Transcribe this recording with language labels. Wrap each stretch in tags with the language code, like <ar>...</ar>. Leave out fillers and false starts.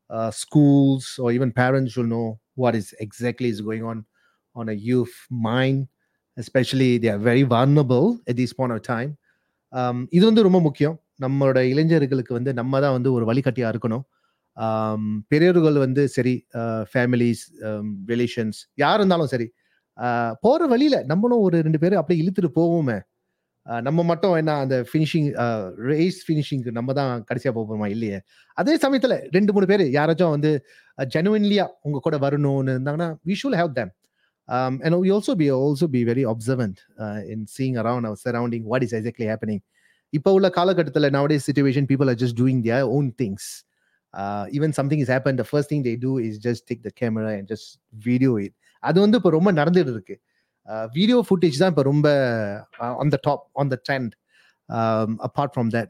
<en>Schools or even parents should know what is exactly is going on a youth mind, especially they are very vulnerable at this point of time.</en> <ta>இது வந்து ரொம்ப முக்கியம். நம்மளோட இளைஞர்களுக்கு வந்து நம்ம தான் வந்து ஒரு வழிகாட்டியா இருக்கணும். பெரியவர்கள் வந்து சரி, ஃபேமிலிஸ் ரிலேஷன்ஸ் யார் இருந்தாலும் சரி, போற வழியில நம்மளும் ஒரு ரெண்டு பேரும் அப்படியே இழுத்துட்டு போவோமே. நம்ம மட்டும் என்ன அந்த ஃபினிஷிங் ரேஸ் ஃபினிஷிங்க்கு நம்ம தான் கடைசியாக போக போகிறோமா இல்லையே? அதே சமயத்தில் ரெண்டு மூணு பேர் யாராச்சும் வந்து ஜெனுவின்லியாக உங்கள் கூட வரணும்னு இருந்தாங்கன்னா,</ta> <en>We should have them. And we also be very observant in seeing around our surrounding what is exactly happening. Nowadays situation, people are just doing their own things. Even something has happened, the first thing they do is just take the camera and just video it. Video footage is on the top, on the trend, apart from that.</en>